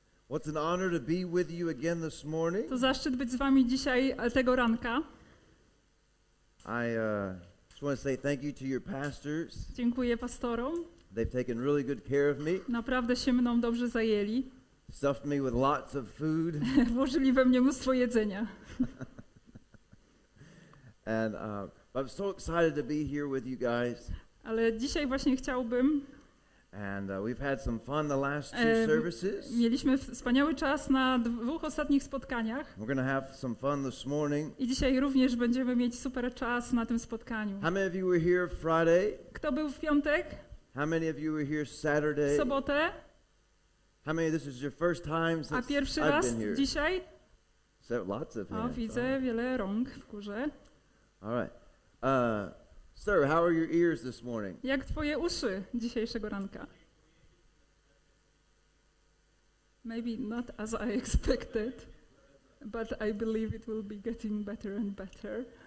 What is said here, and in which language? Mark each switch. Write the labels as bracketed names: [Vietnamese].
[English] It's an honor to be with you again this morning. [Polish] To zaszczyt być z wami dzisiaj tego ranka. [English] I just want to say thank you to your pastors. [Polish] Dziękuję pastorom. [English] They've taken really good care of me. [Polish] Naprawdę się mną dobrze zajęli. [English] Stuffed me with lots of food. [Polish] Włożyli we mnie mnóstwo jedzenia. [English] But I'm so excited to be here with you guys. [Polish] Ale dzisiaj właśnie chciałbym. [English] And we've had some fun the last two services. [Polish] Mieliśmy wspaniały czas na dwóch ostatnich spotkaniach. [English] We're gonna have some fun this morning. [Polish] I dzisiaj również będziemy mieć super czas na tym spotkaniu. [English] How many of you were here Friday? [Polish] Kto był w piątek? [English] How many of you were here Saturday? [Polish] W sobotę? [English] How many of this is your first time since [Polish] A pierwszy raz [English] I've been here? [Polish] Dzisiaj? [English] So lots of hands. [Polish] O, widzę wiele rąk w górze. [English] All right. Sir, how are your ears this morning? [Polish] Jak twoje uszy dzisiejszego ranka? [English] Maybe not as I expected, but I believe it will be getting better and better.